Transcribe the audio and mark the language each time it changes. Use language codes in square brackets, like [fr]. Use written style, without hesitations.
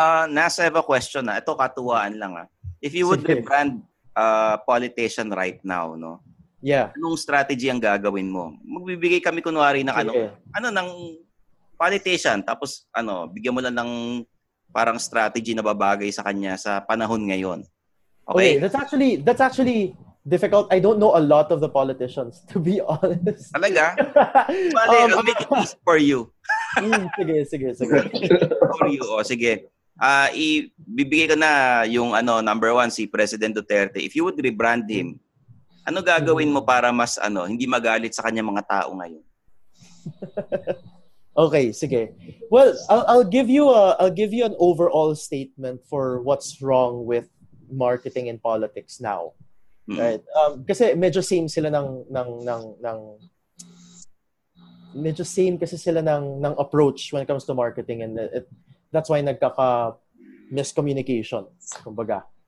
[en] Nasa, I have a question na. [tl] Ito, katuwaan lang. [en] If you would rebrand a politician right now, no? Yeah. [tl] Anong strategy ang gagawin mo? Magbibigay kami kunwari ng ng politician, tapos ano, bigyan mo lang ng parang strategy na babagay sa kanya sa panahon ngayon. [en] Okay, that's actually difficult. I don't know a lot of the politicians, to be honest. [tl] Talaga? [en] Bale, I'll make it easy for you. [tl] sige. For you, sige. Ibibigay ko na yung ano, number one, si President Duterte. [en] If you would rebrand him, [tl] ano gagawin mo para mas ano, hindi magalit sa kanya mga tao ngayon? Okay, sige. [en] Well, I'll give you an overall statement for what's wrong with marketing and politics now. Right? [tl] Kasi medyo same sila ng approach when it comes to marketing, and that's why nagkaka miscommunication, kumbaga.